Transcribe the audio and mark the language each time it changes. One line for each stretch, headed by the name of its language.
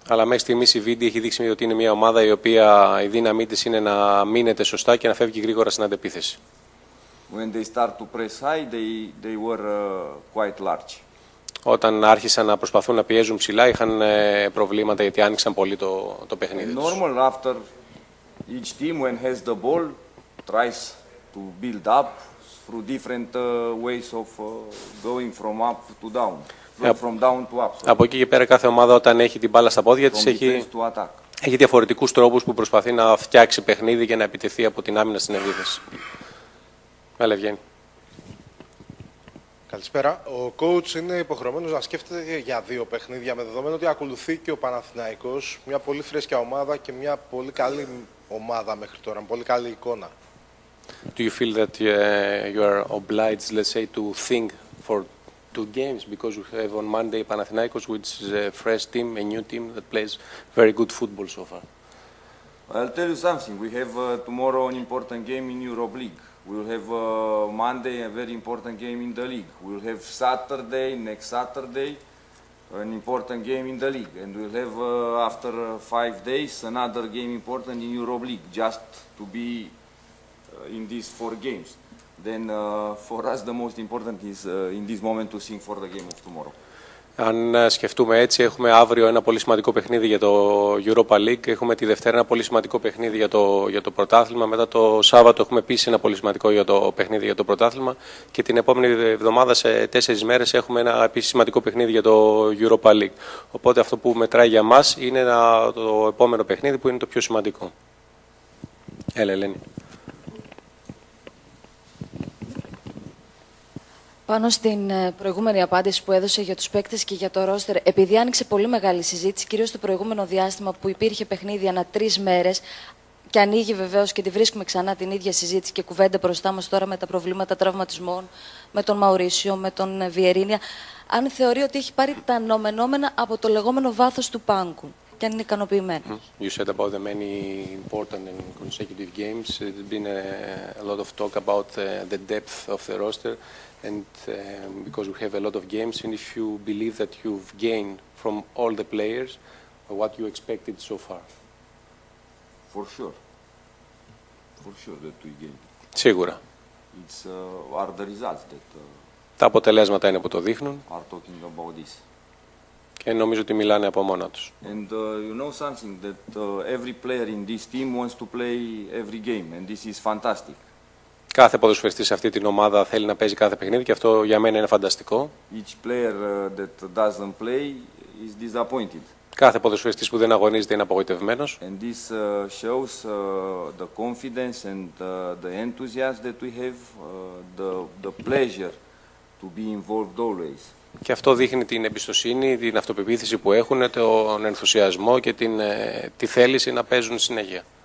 Greek: Αλλά μέχρι στιγμής η Vidi έχει δείξει ότι είναι μια ομάδα η οποία η δύναμή της είναι να μείνεται σωστά και να φεύγει γρήγορα στην αντεπίθεση.
English: When they start to press high, they were quite large.
Greek: Όταν άρχισαν να προσπαθούν να πιέζουν ψηλά, είχαν προβλήματα γιατί άνοιξαν πολύ το παιχνίδι τους.
English: Normal after each team when has the ball tries to build up through different ways of going from up to down, from down to up.
Greek: Από εκεί και πέρα κάθε ομάδα όταν έχει την μπάλα στα πόδια της έχει διαφορετικούς τρόπους που προσπαθεί να φτιάξει παιχνίδι για να επιτεθεί από την άμυνα στην επίθεση. Έλα, Ευγένη. Καλησπέρα. Ο coach είναι υποχρεωμένος να σκέφτεται για δύο παιχνίδια, με δεδομένο ότι ακολουθεί και ο Παναθηναϊκός, μια πολύ φρέσκια ομάδα και μια πολύ καλή ομάδα μέχρι τώρα, μια πολύ καλή εικόνα.
English: Do you feel that you are obliged, let's say, to think for two games, because we have on Monday Panathinaikos, which is a fresh team, a new team that plays very good football so far? I'll tell you something. We have tomorrow an important game in Europa League. We will have Monday a very important game in the league. We will have Saturday, next Saturday, an important game in the league. And we'll have after 5 days another game important in Europa League, just to be in these 4 games. Then for us the most important is in this moment to think for the game of tomorrow.
Greek: Αν σκεφτούμε έτσι, έχουμε αύριο ένα πολύ σημαντικό παιχνίδι για το Europa League. Έχουμε τη Δευτέρα ένα πολύ σημαντικό παιχνίδι για το πρωτάθλημα. Μετά το Σάββατο έχουμε επίσης ένα πολύ σημαντικό παιχνίδι για το πρωτάθλημα. Και την επόμενη εβδομάδα, σε 4 μέρες, έχουμε ένα επίσης σημαντικό παιχνίδι για το Europa League. Οπότε αυτό που μετράει για μας είναι το επόμενο παιχνίδι, που είναι το πιο σημαντικό. Έλα, Ελένη. Πάνω στην προηγούμενη απάντηση που έδωσε για τους παίκτες και για το ρόστερ, επειδή άνοιξε πολύ μεγάλη συζήτηση, κυρίως το προηγούμενο διάστημα που υπήρχε παιχνίδι ανά 3 μέρες, και ανοίγει βεβαίως και τη βρίσκουμε ξανά την ίδια συζήτηση και κουβέντα μπροστά μας τώρα με τα προβλήματα τραυματισμών, με τον Μαουρίσιο, με τον Βιερίνια, αν θεωρεί ότι έχει πάρει τα νομενόμενα από το λεγόμενο βάθος του πάγκου και αν είναι ικανοποιημένο.
English: You said about the many important and consecutive games. There's been a lot of talk about the depth of the roster. And because we have a lot of games, and if you believe that you've gained from all the players, what you expected so far? For sure that we gained.
Greek: Σίγουρα.
English: It's are the results that.
Greek: Τα αποτελέσματα είναι που το δείχνουν.
English: Are talking about this.
Greek: Και νομίζω ότι μιλάνε από μόνα τους.
English: And you know something that every player in this team wants to play every game, and this is fantastic.
Greek: Κάθε ποδοσφαιριστής σε αυτή την ομάδα θέλει να παίζει κάθε παιχνίδι και αυτό για μένα είναι φανταστικό.
English: Each player that doesn't play is disappointed.
Greek: Κάθε ποδοσφαιριστής που δεν αγωνίζεται είναι απογοητευμένος.
English: And this shows the confidence and the enthusiasm that we have, the pleasure to be involved always.
Greek: Και αυτό δείχνει την εμπιστοσύνη, την αυτοπεποίθηση που έχουν, τον ενθουσιασμό και τη θέληση να παίζουν συνέχεια.